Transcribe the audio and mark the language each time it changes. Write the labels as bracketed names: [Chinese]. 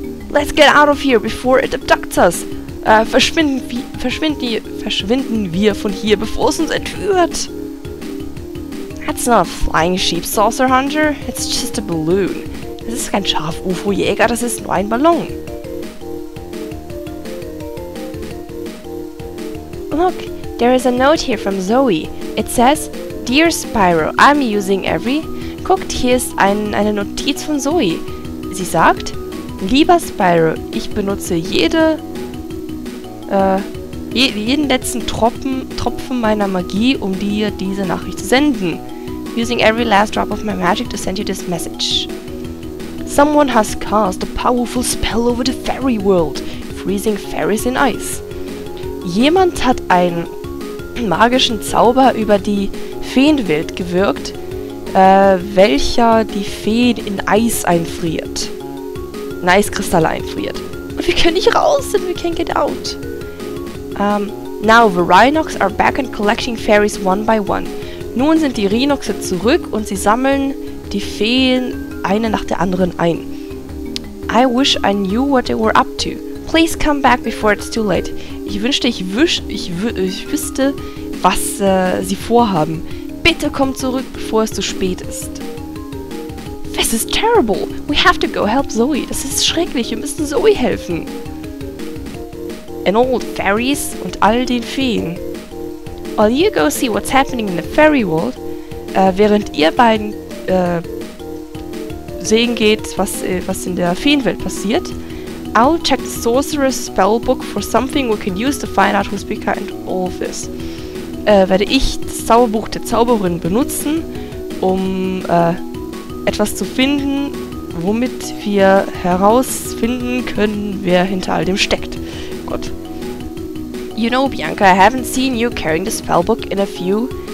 [English] Let's get out of here before it abducts us. [German] Verschwinden wir von hier, bevor es uns entführt. [English] That's not a flying sheep saucer, Hunter. It's just a balloon. [German] Das ist kein Schaf-UFO-Jäger, das ist nur ein Ballon. [English] Look, there is a note here from Zoe. It says, Dear Spyro, I'm using every... [German] Guckt, hier ist eine Notiz von Zoe. Sie sagt, Lieber Spyro, ich benutze jeden letzten Tropfen meiner Magie, um dir diese Nachricht zu senden. [English] Using every last drop of my magic to send you this message. Someone has cast a powerful spell over the fairy world, freezing fairies in ice. [German] Jemand hat einen magischen Zauber über die Feenwelt gewirkt, welcher die Feen in Eis einfriert. In Eiskristalle einfriert. Und wir können nicht raus, [English] and we can't get out. Now the Rhinox are back and collecting fairies one by one. [German] Nun sind die Rhinoxe zurück und sie sammeln die Feen eine nach der anderen ein. [English] I wish I knew what they were up to. Please come back before it's too late. [German] Ich wüsste, was sie vorhaben. Bitte komm zurück, bevor es zu spät ist. [English] This is terrible. We have to go help Zoe. [German] Das ist schrecklich. Wir müssen Zoe helfen. [English] And all the fairies [German] und all den Feen. [English] While you go see what's happening in the fairy world, [German] während ihr beiden sehen geht, was in der Feenwelt passiert, [English] I'll check the Sorcerer's Spellbook for something we can use to find out who's behind all of this. [German] Werde ich das Zauberbuch der Zauberin benutzen, um etwas zu finden, womit wir herausfinden können, wer hinter all dem steckt. Gott. [English] You know, Bianca, I haven't seen you carrying the Spellbook in a few...